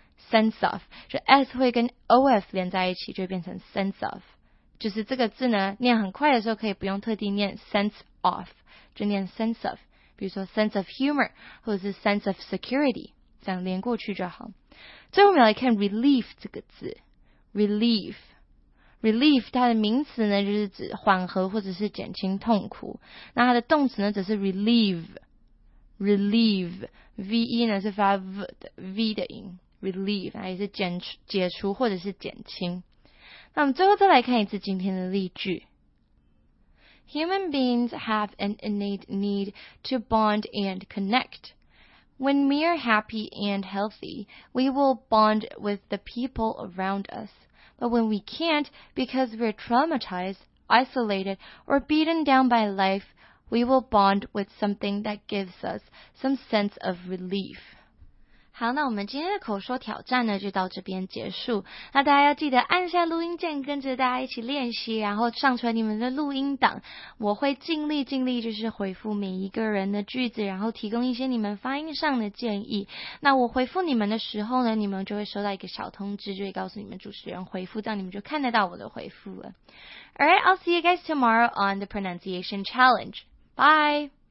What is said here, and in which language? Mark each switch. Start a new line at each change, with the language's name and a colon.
English: sense of，
Chinese: 是 s 会跟 os 连在一起，就变成 sense of。就是这个字呢，念很快的时候可以不用特地念
English: sense of，
Chinese: 就念 sense of。比如说
English: sense of humor，
Chinese: 或者是
English: sense of security，
Chinese: 这样连过去就好。最后我们来看 relief 这个字 ，relief。 Relief 它的名词呢就是指缓和或者是减轻痛苦，那它的动词呢则是 relieve，relieve，ve 呢是发 v 的 v 的音 ，relieve 它也是解除或者是减轻。那我们最后再来看一次今天的例句
English: ：Human beings have an innate need to bond and connect. When we are happy and healthy, we will bond with the people around us. But when we can't, because we're traumatized, isolated, or beaten down by life, we will bond with something that gives us some sense of relief.
Chinese: 好，那我们今天的口说挑战呢，就到这边结束。那大家要记得按下录音键，跟着大家一起练习，然后上传你们的录音档。我会尽力就是回复每一个人的句子，然后提供一些你们发音上的建议。那我回复你们的时候呢，你们就会收到一个小通知，就会告诉你们主持人回复，这样你们就看得到我的回复了。
English: Alright, I'll see you guys tomorrow on the pronunciation challenge. Bye!